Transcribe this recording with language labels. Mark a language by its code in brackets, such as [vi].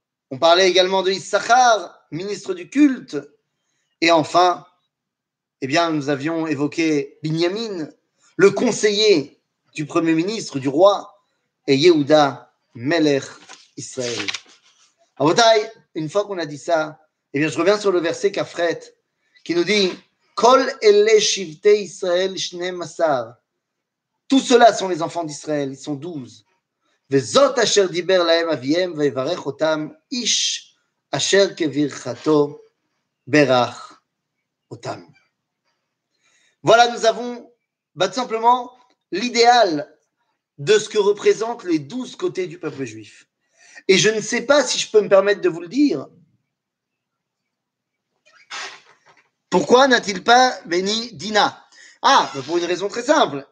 [fr] On parlait également de Issachar, ministre du culte. Et enfin, eh bien, nous avions évoqué Binyamin, le conseiller du premier ministre, du roi, et Yehuda, Melech Israël. Avotai, une fois qu'on a dit ça, eh bien, je reviens sur le verset Kafret, qui nous dit, [he] Kol ele shivte Israël shne masar. [fr] Tous ceux-là sont les enfants d'Israël, ils sont 12. [he] וזאת אשר דיבר להם אביהם ויברך אותם איש אשר כברכתו ברך אותם. [fr] Voilà, nous avons bah, tout simplement l'idéal de ce que représentent les 12 côtés du peuple juif. Et je ne sais pas si je peux me permettre de vous le dire. Pourquoi n'a-t-il pas béni Dina ? Ah, pour une raison très simple.